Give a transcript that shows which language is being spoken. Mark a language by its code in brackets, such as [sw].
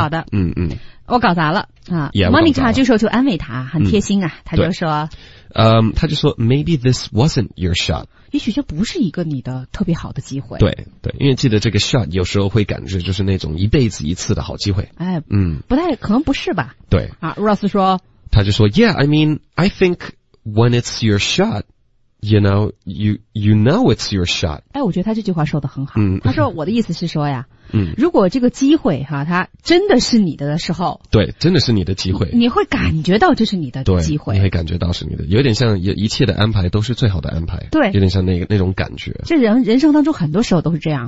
[zh] 好的我搞砸了 [en] yeah, [zh] Monica 这时候就安慰他很贴心啊他就说他就说 [en] maybe this wasn't your shot [zh] 也许这不是一个你的特别好的机会对因为记得这个 shot 有时候会感觉就是那种一辈子一次的好机会不太可能不是吧对啊 Ross 说他就说 [en] yeah I mean I think when it's your shotYou know, you know it's your shot. [zh] 我觉得他这句话说得很好。他说我的意思是说呀，如果这个机会哈，它真的是你的时候，对，真的是你的机会，你会感觉到这是你的机会，你会感觉到是你的，有点像一切的安排都是最好的安排，对，有点像那种感觉。这人生当中很多时候都是这样。